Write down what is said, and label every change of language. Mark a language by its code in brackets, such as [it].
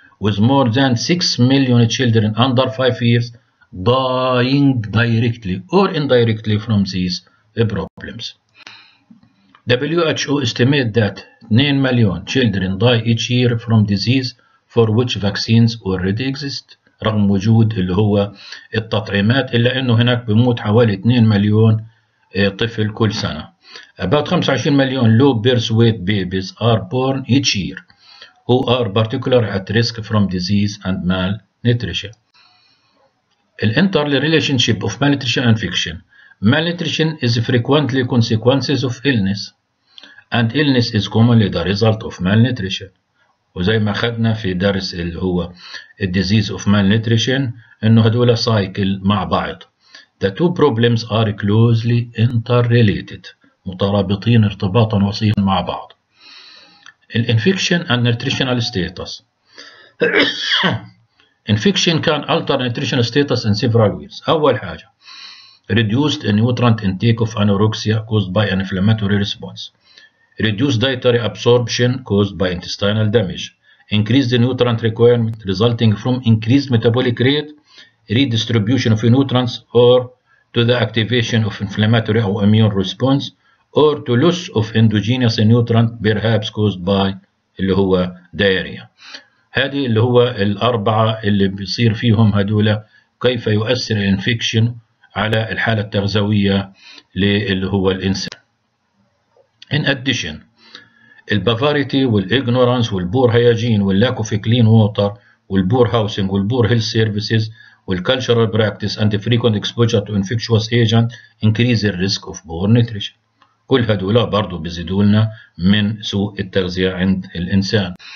[en] With more than 6 million children under 5 years dying directly or indirectly from these problems. WHO estimate that 9 million children die each year from disease for which vaccines already exist. [ar] رغم وجود اللي هو التطعيمات إلا أنه هناك بموت حوالي 2 مليون طفل كل سنة. [en] About 25 million low birth weight babies are born each year. Who are particularly at risk from disease and malnutrition. The interrelationship of malnutrition and infection. Malnutrition is frequently consequences of illness, and illness is commonly the result of malnutrition. [ar] وزي ما خدنا في درس اللي هو [en] the disease of malnutrition [ar] إنه هدول cycle مع بعض. [en] The two problems are closely interrelated. [ar] مترابطين ارتباطا وثيقا مع بعض. [en] Infection and nutritional status. Infection can alter nutritional status in several ways. [ar] أول حاجة, [en] reduced nutrient intake of anorexia caused by an inflammatory response. Reduced dietary absorption caused by intestinal damage. Increased nutrient requirement resulting from increased metabolic rate, redistribution of nutrients or to the activation of inflammatory or immune response. Or to loss of endogenous nutrient, perhaps caused by [ar] اللي هو [en] diarrhea. [ar] هذه اللي هو الأربعة اللي بيصير فيهم هدول كيف يؤثر الانفكشن على الحالة التغذوية للي هو الإنسان. [en] In addition, the poverty, the ignorance, the poor hygiene, the lack of clean water, the poor housing, the poor health services, the cultural practice, and the frequent exposure to infectious agent increase the risk of poor nutrition. [ar] كل هدول برضو بيزيدوا لنا من سوء التغذية عند الإنسان.